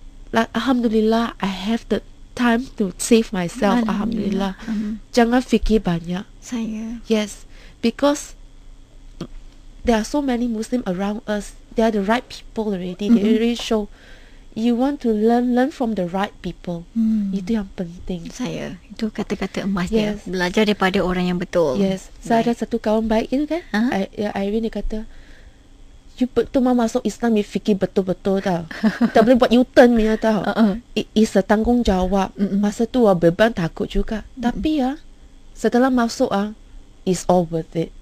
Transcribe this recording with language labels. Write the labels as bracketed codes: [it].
[en] Like, Alhamdulillah, I have the time to save myself. [ms] Alhamdulillah. Jangan fikir banyak. Saya. [en] Yes, because there are so many Muslim around us. They are the right people already. They already show. You want to learn from the right people. [ms] Itu yang penting. Saya. Itu kata-kata emas dia. Belajar daripada orang yang betul. [en] Yes. [ms] Saya ada satu kawan baik itu kan. Irene dia kata, you betul mah masuk Islam, you fikir betul-betul tau. Tak boleh buat U-turn ni tau. [en] It's a [ms] tanggungjawab. Masa tu beban, takut juga. Tapi setelah masuk [en] it's all worth it.